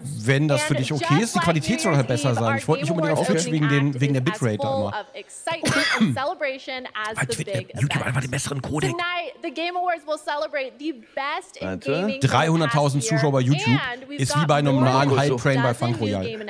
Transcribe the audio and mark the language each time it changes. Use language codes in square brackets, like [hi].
[de] Wenn das für dich okay ist, die Qualität soll halt besser sein. Ich wollte nicht unbedingt auf Twitch wegen der Bitrate da immer. Weil Twitter, YouTube einfach den besseren Codec. [en] The Game Awards will celebrate the best in gaming. [de] 300.000 Zuschauer bei YouTube ist wie bei einem nahen Hype Train bei Funk Royal.